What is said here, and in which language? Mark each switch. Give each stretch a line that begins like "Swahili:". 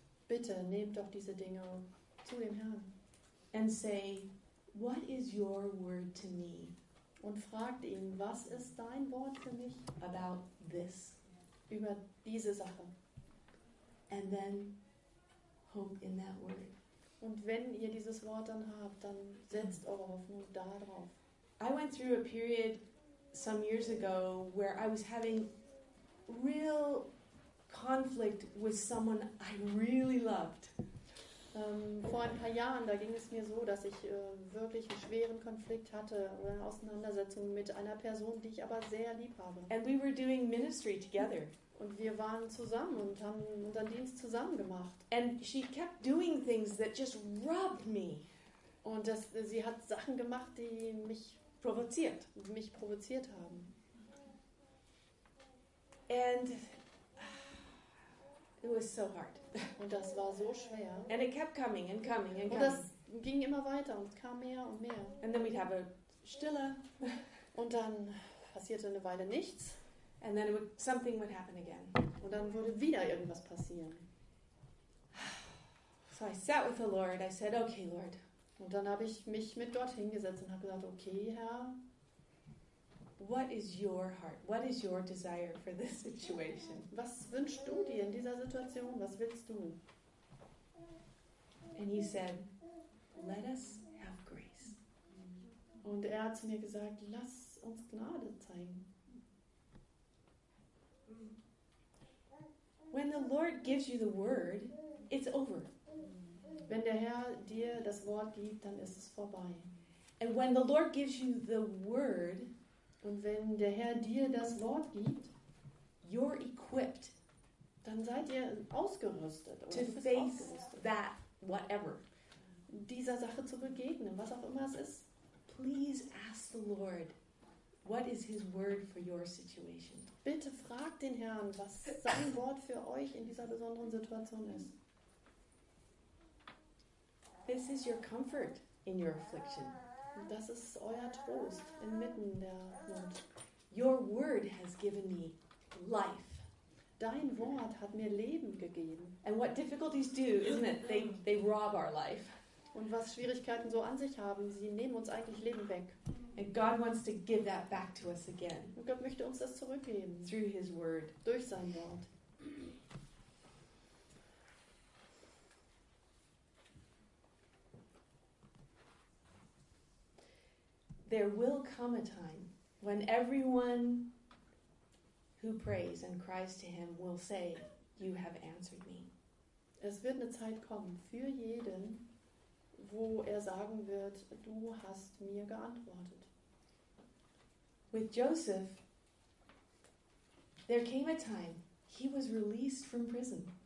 German: Bitte nehmt doch diese Dinge zu dem Herrn.
English: And say, what is your word to me?
German: Und fragt ihn, was ist dein Wort für mich?
English: About this.
German: Über diese Sache.
English: And then hope in that word.
German: Und wenn ihr dieses Wort dann habt, dann setzt eure Hoffnung darauf.
English: I went through a period some years ago where I was having real conflict with someone I really loved.
German: Vor ein paar Jahren, da ging es mir so, dass ich wirklich einen schweren Konflikt hatte oder eine Auseinandersetzung mit einer Person, die ich aber sehr lieb habe.
English: And we were doing ministry together.
German: Und wir waren zusammen und haben unseren Dienst zusammen gemacht.
English: And she kept doing things that just rubbed me.
German: Und sie hat Sachen gemacht, die mich provoziert haben.
English: And it was so hard.
German: Und das war so schwer.
English: And it kept coming and coming and coming.
German: Und das ging immer weiter und kam mehr und mehr.
English: And then we'd have a stille.
German: Und dann passierte eine Weile nichts.
English: And then something would happen again.
German: Und dann würde wieder irgendwas passieren.
English: So I sat with the Lord. I said, okay, Lord.
German: Und dann habe ich mich mit Gott hingesetzt und habe gesagt, okay, Herr.
English: What is your heart? What is your desire for this situation?
German: Was wünschst du dir in dieser Situation? Was willst du?
English: And he said, let us have grace.
German: Und er hat zu mir gesagt, lass uns Gnade zeigen.
English: When the Lord gives you the word, it's over.
German: Wenn der Herr dir das Wort gibt, dann ist es vorbei.
English: And when the Lord gives you the word,
German: und wenn der Herr dir das Wort gibt,
English: you're equipped,
German: dann seid ihr ausgerüstet,
English: to face that whatever,
German: dieser Sache zu begegnen, was auch immer es ist.
English: Please ask the Lord, what is his word for your situation?
German: Bitte fragt den Herrn, was sein Wort für euch in dieser besonderen Situation ist.
English: This is your comfort in your affliction.
German: Das ist euer Trost inmitten der Not.
English: Your word has given me life.
German: Dein Wort hat mir Leben gegeben.
English: And what difficulties do, isn't it? They rob our life.
German: Und was Schwierigkeiten so an sich haben, sie nehmen uns eigentlich Leben weg.
English: And God wants to give that back to us again.
German: Und Gott möchte uns das zurückgeben.
English: Through his word.
German: Durch sein Wort.
English: There will come a time when everyone who prays and cries to him will say, you have answered me.
German: Es wird eine Zeit kommen für jeden, wo er sagen wird, du hast mir geantwortet.
English: With Joseph, there came a time he was released from prison.